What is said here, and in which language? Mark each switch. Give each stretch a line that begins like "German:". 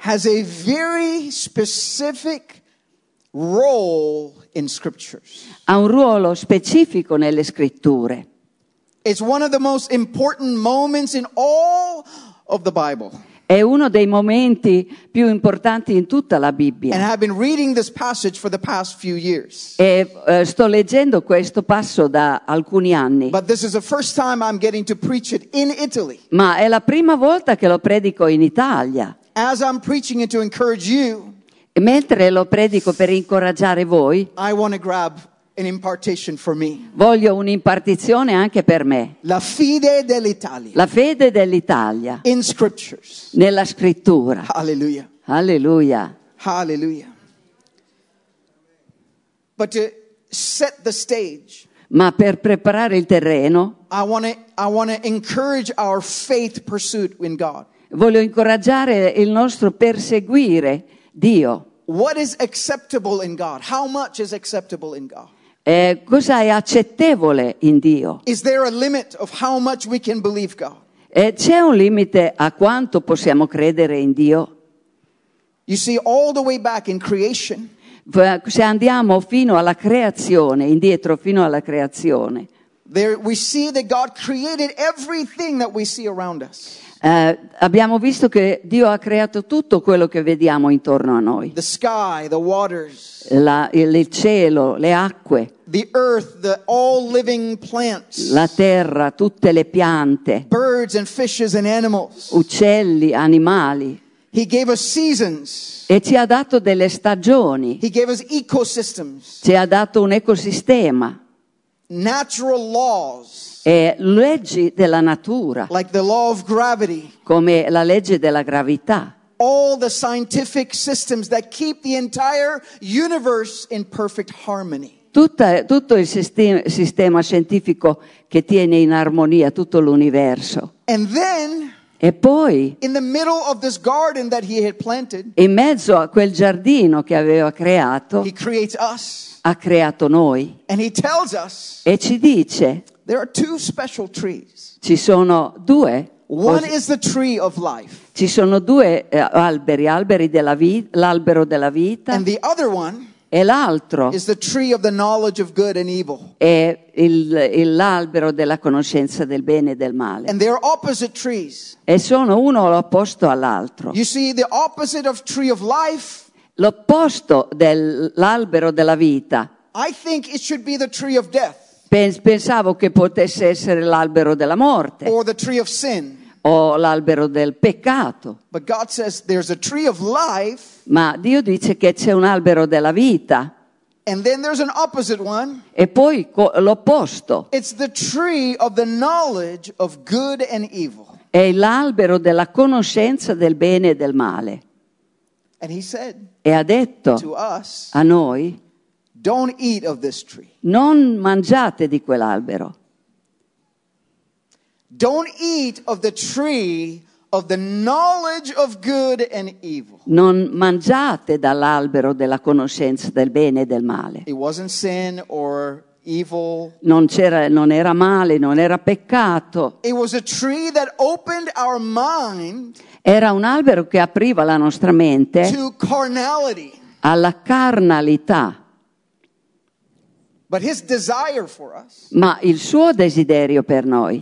English: has a very specific role in scriptures.
Italian: Ha un ruolo specifico nelle scritture.
English: It's one of the most important moments in all of the Bible.
Italian: È uno dei momenti più importanti in tutta la Bibbia.
English: And I've been reading this passage for the past few years.
Italian: E sto leggendo questo passo da alcuni anni.
English: But this is the first time I'm getting to preach it in Italy.
Italian: Ma è la prima volta che lo predico in Italia.
English: As I'm preaching it to encourage you.
Italian: E mentre lo predico per incoraggiare voi.
English: I want to grab an impartation for me.
Italian: Voglio un'impartizione anche per me. La fede dell'Italia. La fede dell'Italia.
English: In scriptures.
Italian: Nella scrittura.
English: Hallelujah.
Italian: Hallelujah.
English: Hallelujah. But to set the stage.
Italian: Ma per preparare il terreno.
English: I want to encourage our faith pursuit in God.
Italian: Voglio incoraggiare il nostro perseguire Dio.
English: What is acceptable in God? How much is acceptable in God?
Italian: Cosa è accettevole in Dio?
English: Is there a limit of how much we can believe God?
Italian: C'è un limite a quanto possiamo credere in Dio?
English: You see, all the way back in creation.
Italian: Se andiamo fino alla creazione, indietro fino alla creazione.
English: There we see that God created everything that we see around us.
Italian: Abbiamo visto che Dio ha creato tutto quello che vediamo intorno a noi.
English: The sky, the waters.
Italian: Il cielo, le acque.
English: The earth, the all living plants.
Italian: La terra, tutte le piante.
English: Birds and fishes and animals.
Italian: Uccelli, animali.
English: He gave us seasons.
Italian: E ci ha dato delle stagioni.
English: He gave us ecosystems.
Italian: Ci ha dato un ecosistema.
English: Natural laws.
Italian: E leggi della natura.
English: Like the law of gravity.
Italian: Come la legge della gravità.
English: All the scientific systems that keep the entire universe in perfect harmony.
Italian: Tutto il sistema scientifico che tiene in armonia tutto l'universo.
English: And then.
Italian: E poi.
English: In the middle of this garden that he had planted.
Italian: In mezzo a quel giardino che aveva creato.
English: He creates us.
Italian: Ha creato noi.
English: And he tells us.
Italian: E ci dice.
English: There are two special trees.
Italian: Ci sono due
English: One is the tree of life.
Italian: Ci sono due alberi della vita, l'albero della vita.
English: And the other one
Italian: e l'altro
English: is the tree of the knowledge of good and evil.
Italian: È l'albero della conoscenza del bene e del male.
English: And they are opposite trees.
Italian: E sono uno opposto all'altro.
English: You see, the opposite of tree of life.
Italian: L'opposto dell'albero della vita.
English: I think it should be the tree of death.
Italian: Pensavo che potesse essere l'albero della morte.
English: Or the tree of sin.
Italian: O l'albero del peccato.
English: But God says there's a tree of life.
Italian: Ma Dio dice che c'è un albero della vita.
English: And then there's an opposite one.
Italian: E poi l'opposto.
English: It's the tree of the knowledge of good and evil.
Italian: È l'albero della conoscenza del bene e del male.
English: And he said,
Italian: e ha detto
English: to us,
Italian: a noi,
English: don't eat of this tree.
Italian: Non mangiate di quell'albero.
English: Don't eat of the tree of the knowledge of good and evil.
Italian: Non mangiate dall'albero della conoscenza del bene e del male.
English: It wasn't sin or evil.
Italian: Non era male, non era peccato.
English: It was a tree that opened our mind.
Italian: Era un albero che apriva la nostra mente
English: to carnality.
Italian: Alla carnalità.
English: But his desire for us,
Italian: ma il suo desiderio per noi